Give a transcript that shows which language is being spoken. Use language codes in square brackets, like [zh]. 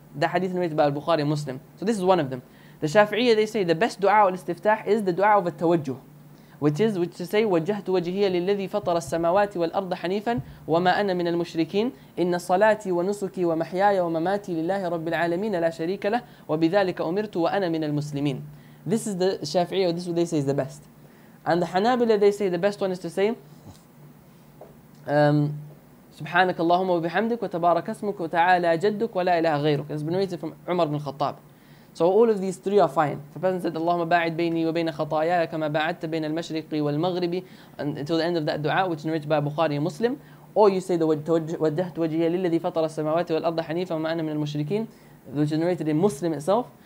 [en] The hadith narrated by Al-Bukhari Muslim. So this is one of them. The Shafi'iyya, they say the best dua al-istiftah is the dua of al-tawajjuh, which is to say, [ar] وَجَّهْتُ وَجِهِيَ لِلَّذِي فَطَرَ السَّمَوَاتِ وَالْأَرْضَ حَنِيفًا وَمَا أَنَا مِنَ الْمُشْرِكِينَ إِنَّ صَلَاتِي وَنُسُكِي وَمَحْيَايَ وَمَمَاتِي لِلَّهِ رَبِّ الْعَالَمِينَ لَا شَرِيكَ لَهُ وَبِذَلِكَ أُمِرْتُ وَأَنَا مِنَ الْمُسْلِمِينَ. [en] This is the Shafi'iyya, this is what they say is the best. And the Hanabila, they say the best one is to say, [ar] سبحانك اللهم وبحمدك وتبارك اسمك وتعالى جدك ولا إله غيرك. [en] It's been written from Umar bin Khattab. So all of these three are fine. The person said, Allahumma ba'id bayni wa bayna khatayaya kama ba'adta bayna al-mashriqi wal-maghribi, until the end of that dua, which is narrated by Bukhari and Muslim. Or you say, [ar] وَجَّهْتُ وَجِهِيَ لِلَّذِي فَطَرَ السَّمَوَاتِ وَالْأَرْضَ حَنِيفًا وَمَا أَنَا مِنَ الْمُشْرِكِينَ, [en] which is narrated in Muslim itself.